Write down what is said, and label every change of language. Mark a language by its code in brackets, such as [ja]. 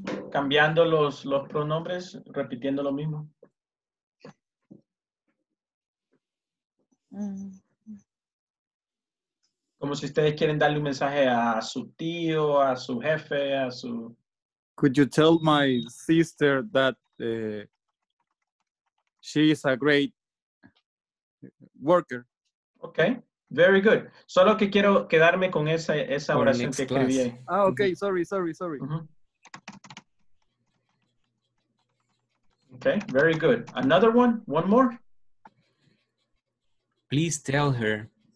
[es] Cambiando los pronombres, repitiendo lo mismo. Como si ustedes quieren darle un mensaje a su tío, a su jefe, a su... [en] Could you tell my sister that she is a great worker? Okay, very good. [es] Solo que quiero quedarme con esa oración que escribí. [en] Ah, okay, sorry. Uh-huh. Okay, very good. Another one more? Please tell her.